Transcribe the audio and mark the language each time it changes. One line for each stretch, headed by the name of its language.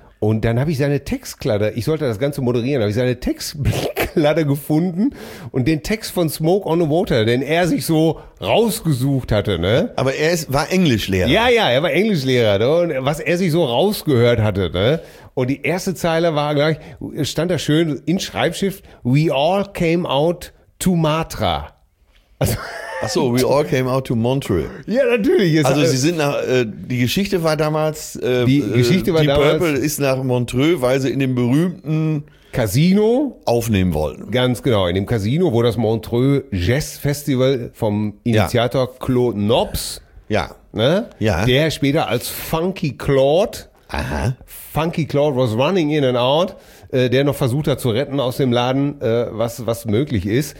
German: Und dann habe ich seine Textkladder, ich sollte das Ganze moderieren, habe ich seine Textkladder gefunden und den Text von Smoke on the Water, den er sich so rausgesucht hatte. Ne? Aber er ist, war Englischlehrer. Ja, er war Englischlehrer. Ne? Und was er sich so rausgehört hatte. Ne? Und die erste Zeile war gleich, stand da schön in Schreibschrift,
English: we all came out to Matra.
German: Also, ach so,
English: we all came out to Montreal.
German: Ja, natürlich. Also sie sind nach, die Geschichte war damals, die Geschichte war die damals, Purple ist nach Montreal, weil sie in dem berühmten Casino aufnehmen wollten. Ganz genau, in dem Casino, wo das Montreal Jazz Festival vom Initiator Claude Nobs, der später als
English: Funky Claude, Funky Claude was running in and out,
German: der noch versucht hat zu retten aus dem Laden, was möglich ist.